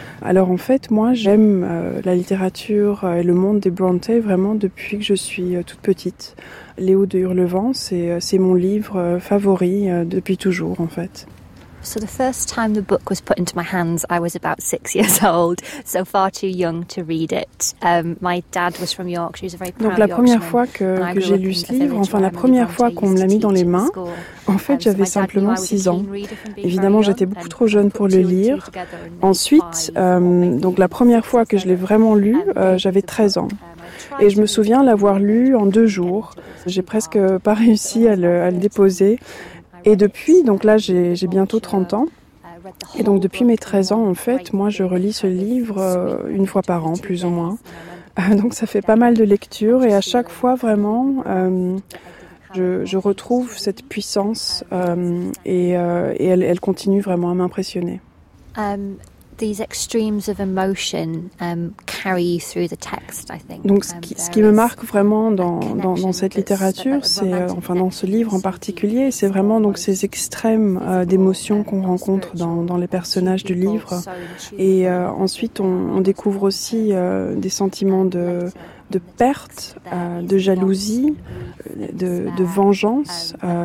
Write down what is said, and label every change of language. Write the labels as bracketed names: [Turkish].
[French] Alors en fait, moi, j'aime la littérature et le monde des Brontë vraiment depuis que je suis toute petite. Léo de Hurlevent, c'est mon livre favori depuis toujours, en fait. [English] So the first time the book was put into my hands, I was about 6 years old, so far too young to read it. My dad was from Yorkshire, he was a very proud. [French] Donc la première fois que j'ai lu ce livre, enfin la première fois qu'on me l'a mis dans les mains, en fait j'avais simplement 6 ans. Évidemment, j'étais beaucoup trop jeune pour le lire. Ensuite, donc la première fois que je l'ai vraiment lu, j'avais 13 ans. Et je me souviens l'avoir lu en 2 jours. J'ai presque pas réussi à le déposer. Et depuis, donc là, j'ai bientôt 30 ans. Et donc depuis mes 13 ans, en fait, moi, je relis ce livre une fois par an, plus ou moins. Donc ça fait pas mal de lectures. Et à chaque fois, vraiment, je retrouve cette puissance et elle continue vraiment à m'impressionner. [English] These extremes of emotion carry you through the text, I think. [French] Donc ce qui me marque vraiment dans cette littérature, c'est enfin dans ce livre en particulier, c'est vraiment donc ces extrêmes d'émotions qu'on rencontre dans les personnages du livre, et ensuite on découvre aussi des sentiments de perte, de jalousie, de vengeance.